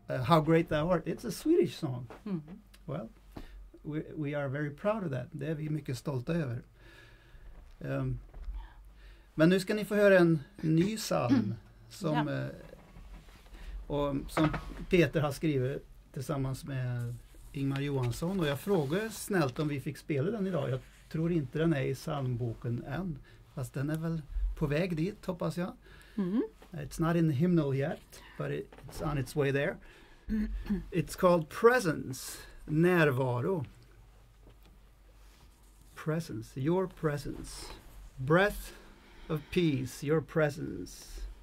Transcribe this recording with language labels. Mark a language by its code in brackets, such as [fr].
[en] How great thou art. It's a Swedish song. Mm-hmm. Well, we are very proud of that. [sv] Det är vi mycket stolta över. Men nu ska ni få höra en ny psalm som och som Peter har skrivit tillsammans med Ingmar Johansson. Och jag frågade snällt om vi fick spela den idag. Jag tror inte den är i psalmboken än. Fast den är väl på väg dit, hoppas jag. Mm-hmm. [en] It's not in the hymnal yet, but it's on its way there. It's called presence, närvaro. Presence, your presence. Breath of peace, your presence.